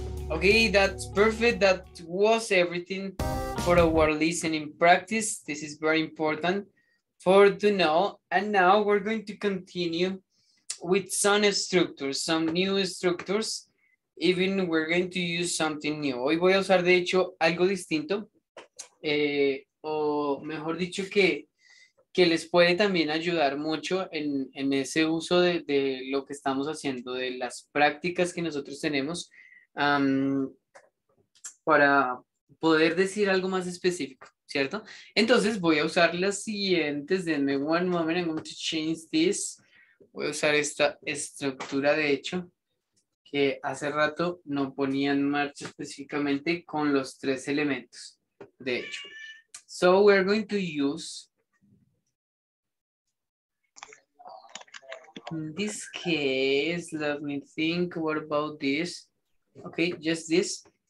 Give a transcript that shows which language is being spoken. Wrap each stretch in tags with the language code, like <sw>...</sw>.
<en>Okay, that's perfect. That was everything for our listening practice. This is very important for to know. And now we're going to continue with some structures, some new structures. Even we're going to use something new.</en> <es>Hoy voy a usar, de hecho, algo distinto. O mejor dicho, que les puede también ayudar mucho en ese uso de lo que estamos haciendo, de las prácticas que nosotros tenemos para poder decir algo más específico, ¿cierto? Entonces voy a usar las siguientes. Denme</es> <en>one moment, I'm going to change this.</en> <es>Voy a usar esta estructura, de hecho, que hace rato no ponía en marcha específicamente con los tres elementos, de hecho.</es> <en>So we're going to use, in this case, let me think, what about this? Okay, just this.</en>